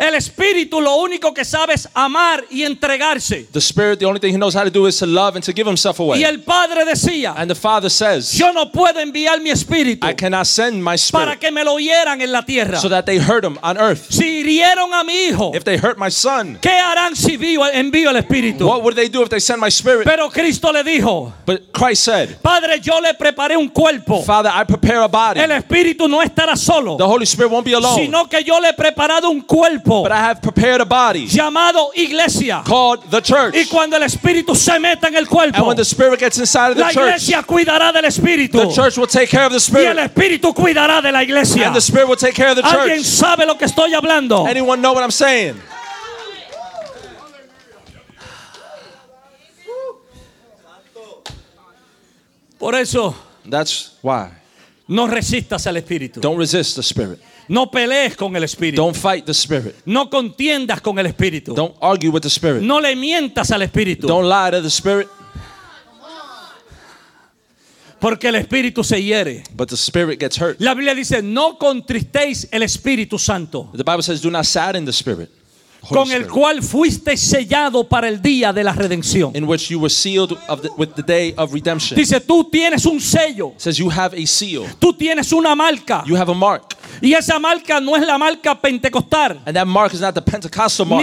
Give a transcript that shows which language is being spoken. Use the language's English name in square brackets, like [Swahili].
[Spanish] El Espíritu lo único que sabes amar y entregarse. [English] The Spirit, the only thing he knows how to do is to love and to give himself away. [Spanish] Y el Padre decía, [English] and the Father says, [Spanish] yo no puedo enviar mi Espíritu, [English] I cannot send my Spirit, [Spanish] para que me lo hieran en la tierra, [English] so that they hurt him on earth. [Spanish] Si hirieron a mi hijo, [English] if they hurt my son, [Spanish] ¿qué harán si envío el Espíritu? [English] What would they do if they send my Spirit? [Spanish] Pero Cristo le dijo, [English] but Christ said, [Spanish] Padre, yo le preparé un cuerpo, [English] Father, I prepare a body. [Spanish] El Espíritu no estará solo, [English] the Holy Spirit won't be alone, [Spanish] sino que yo le he preparado un cuerpo, [English] but I have prepared a body. [Spanish] Llamado iglesia, [English] called the church. [Spanish] Y cuando el Espíritu se meta en el cuerpo, [English] and when the Spirit gets inside of the church, [Spanish] la iglesia cuidará del Espíritu, [English] the church will take care of the Spirit. [Spanish] Y el Espíritu cuidará de la iglesia, [English] and the Spirit will take care of the [Spanish] ¿Alguien [English] church? [Spanish] ¿Alguien sabe lo que estoy hablando? [English] Anyone know what I'm saying? [Spanish] Por eso, [English] that's why. [Spanish] No resistas al Espíritu. [English] Don't resist the Spirit. [Spanish] No pelees con el Espíritu. [English] Don't fight the Spirit. [Spanish] No contiendas con el Espíritu. [English] Don't argue with the Spirit. [Spanish] No le mientas al Espíritu. [English] Don't lie to the Spirit. [Spanish] Porque el Espíritu se hiere. [English] But the Spirit gets hurt. [Spanish] La Biblia dice, no contristéis el Espíritu Santo. [English] The Bible says, do not sadden the Spirit. [Spanish] Holy con el [English] Spirit. [Spanish] Cual fuiste sellado para el día de la redención. [English] In which you were sealed with the day of redemption. [Spanish] Dice, tú tienes un sello. [English] It says you have a seal. [Spanish] Tú tienes una marca. [English] You have a mark. [Spanish] Y esa marca no es la marca pentecostal. [English] And that mark is not the Pentecostal mark.